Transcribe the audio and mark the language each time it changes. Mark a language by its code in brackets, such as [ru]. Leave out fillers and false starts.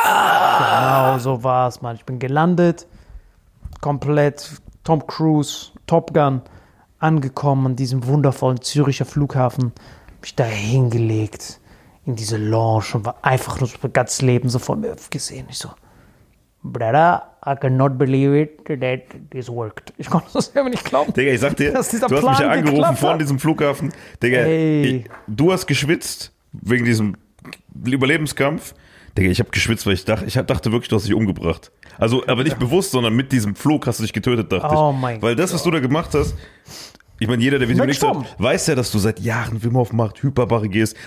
[de] Genau, so war es, Mann. Ich bin gelandet. Komplett Tom Cruise, Top Gun, angekommen an diesem wundervollen Züricher Flughafen, mich da hingelegt in diese Lounge und war einfach nur das ganze Leben so vor mir gesehen. Ich so, [en] Brother, I cannot believe it that this worked. [de] Ich konnte das selber nicht glauben. Digga, ich sag dir, du hast mich angerufen vor diesem Flughafen. Digga, du hast geschwitzt wegen diesem Überlebenskampf. Digga, ich habe geschwitzt, weil ich dachte wirklich, du hast dich umgebracht. Also, aber nicht bewusst, sondern mit diesem Flug hast du dich getötet, dachte ich. Oh mein Gott. Weil das, was du da gemacht hast, ich meine, jeder, der Vitamin X hat, weiß ja, dass du seit Jahren Wim Hof macht, Hyperbare gehst.